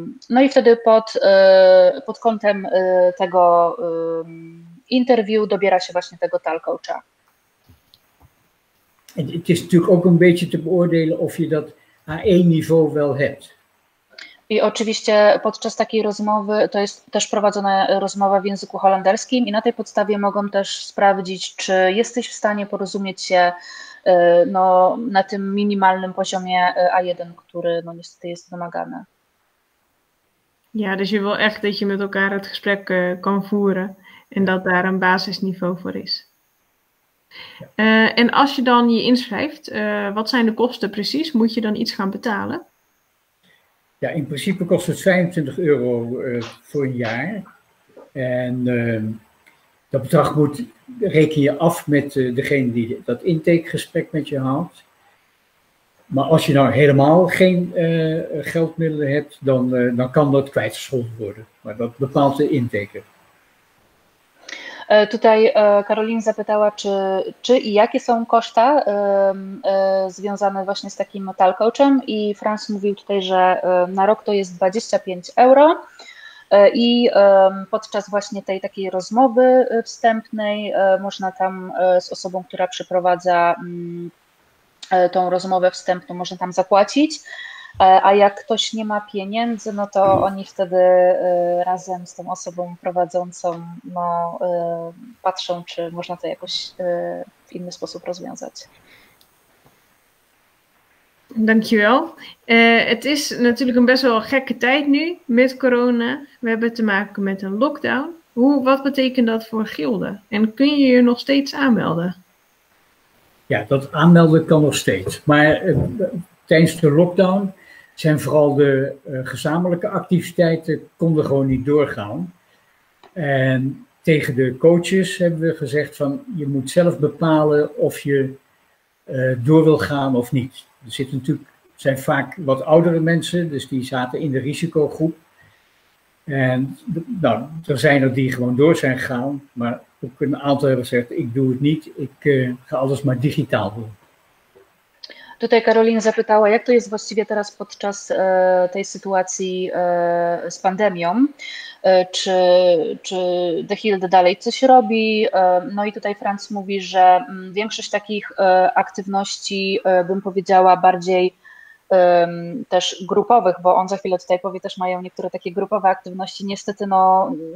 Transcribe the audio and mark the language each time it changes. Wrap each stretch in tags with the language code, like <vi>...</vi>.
<pl>No i wtedy pod kątem tego interview dobiera się właśnie tego talcoacha.</pl> <nl>Het is natuurlijk ook een beetje te beoordelen of je dat A1 niveau wel hebt. I oczywiście podczas takiej rozmowy, to jest też prowadzona rozmowa w języku holenderskim i na tej podstawie mogą też sprawdzić, czy jesteś w stanie porozumieć się no, na tym minimalnym poziomie A1, który no, niestety jest wymagany. Ja, dus je wil echt dat je met elkaar het gesprek kan voeren en dat daar een basisniveau voor is. En als je dan je inschrijft, wat zijn de kosten precies? Moet je dan iets gaan betalen? Ja, in principe kost het €25 voor een jaar. En dat bedrag moet reken je af met degene die dat intakegesprek met je houdt. Maar als je nou helemaal geen geldmiddelen hebt, dan kan dat kwijtgescholden worden. Maar dat bepaalt de intaker.</nl> <pl>Tutaj Karolin zapytała, czy i jakie są koszta związane właśnie z takim talcoachem i Franz mówił tutaj, że na rok to jest €25 i podczas właśnie tej takiej rozmowy wstępnej można tam z osobą, która przeprowadza tą rozmowę wstępną, można tam zapłacić. A jak ktoś nie ma pieniędzy, no to oni wtedy razem z tą osobą prowadzącą no, patrzą, czy można to jakoś w inny sposób rozwiązać.</pl> <nl>Dankjewel. Het is natuurlijk een best wel gekke tijd nu met corona. We hebben te maken met een lockdown. Wat betekent dat voor gilden? En kun je je nog steeds aanmelden? Ja, dat aanmelden kan nog steeds. Maar tijdens de lockdown zijn vooral de gezamenlijke activiteiten, konden gewoon niet doorgaan. En tegen de coaches hebben we gezegd van, je moet zelf bepalen of je door wil gaan of niet. Er zitten natuurlijk, zijn vaak wat oudere mensen, dus die zaten in de risicogroep. En nou, er zijn er die gewoon door zijn gegaan, maar ook een aantal hebben gezegd, ik doe het niet, ik ga alles maar digitaal doen.</nl> <pl>Tutaj Karolin zapytała, jak to jest właściwie teraz podczas tej sytuacji z pandemią, czy The Hill dalej coś robi. No i tutaj Franz mówi, że większość takich aktywności, bym powiedziała, bardziej też grupowych, bo on za chwilę tutaj powie, też mają niektóre takie grupowe aktywności, niestety no</pl>